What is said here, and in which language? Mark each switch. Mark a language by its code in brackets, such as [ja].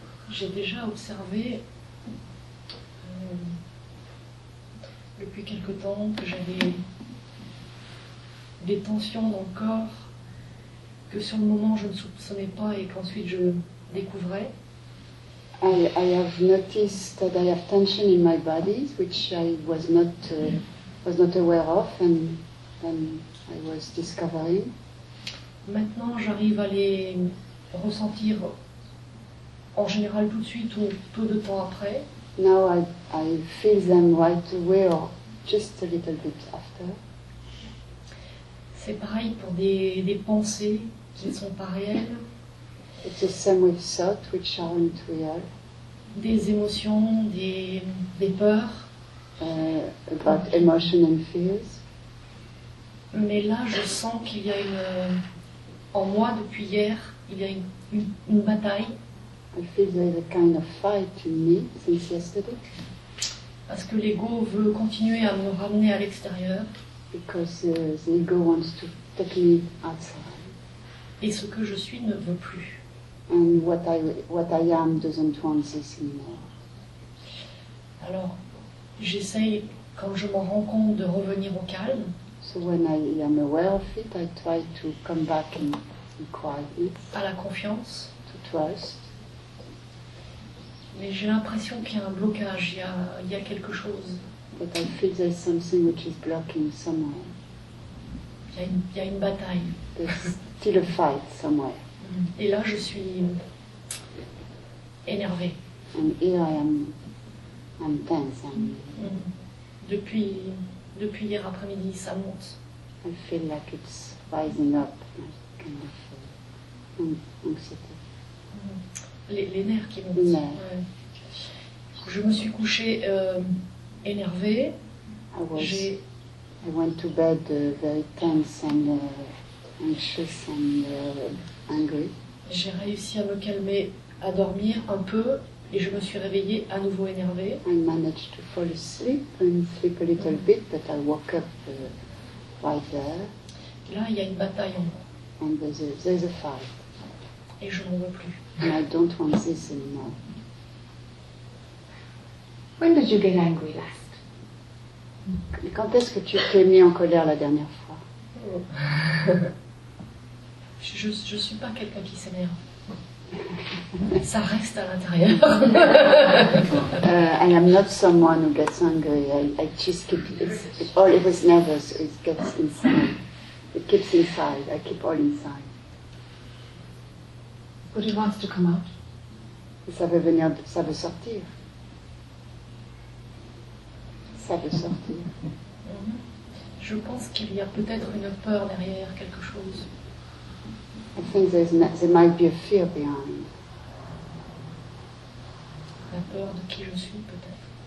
[fr] J'ai déjà observé depuis quelque temps que j'avais des tensions dans le corps que sur le moment je ne soupçonnais pas et qu'ensuite je découvrais. [en] I have noticed that I have tension in my body which I was not aware of and then I was discovering. [fr] Maintenant j'arrive à les ressentir en général tout de suite ou peu de temps après. [en] Now I feel them right away or just a little bit after. [fr] C'est pareil pour des pensées qui ne sont pas réelles. [en] It's the same with thoughts which aren't real. [fr] Des émotions, des peurs. [en] About emotion and fears. [fr] Mais là, je sens qu'il y a en moi depuis hier, il y a une bataille. [en] I feel there's a kind of fight in me since yesterday. [fr] Parce que l'ego veut continuer à me ramener à l'extérieur. [en] Because the ego wants to take me outside. [fr] Et ce que je suis ne veut plus. [en] And what I am doesn't want this anymore. [fr] Alors, j'essaye, quand je m'en rends compte, de revenir au calme. [en] So when I am aware of it, I try to come back and be quiet. [fr] À la confiance. [en] To trust. [fr] Mais j'ai l'impression qu'il y a un blocage, il y a quelque chose. [en] But I feel there's something which is blocking somewhere. [fr] Il y a une bataille. [en] There's still a fight somewhere. [fr] Et là, je suis énervée. [en] And here I am tense. I'm [fr] depuis hier après-midi, ça monte. [en] I feel like it's rising up, like kind of anxiety. [fr] Les nerfs qui montent. Ouais. Je me suis couchée énervée. [en] I went to bed very tense and anxious and angry. [fr] J'ai réussi à me calmer, à dormir un peu, et je me suis réveillée à nouveau énervée. [en] I managed to fall asleep and sleep a little bit, but I woke up right there. [fr] Là, il y a une bataille en moi. [en] And there's a fight. [fr] Et je n'en veux plus. [en] And I don't want this anymore. When did you get angry last? [fr] Quand est-ce que tu t'es mis en colère la dernière fois? Je suis pas quelqu'un qui s'énerve. Ça reste à l'intérieur. [en] I am not someone who gets angry. I just keep it all. It was never. So it gets inside. It keeps inside. I keep all inside. But it wants to come out. [fr] Ça veut venir. Ça veut sortir. Ça veut sortir. Je pense qu'il y a peut-être une peur derrière quelque chose. [en] I think there might be a fear behind. [fr] La peur de qui je suis, peut-être.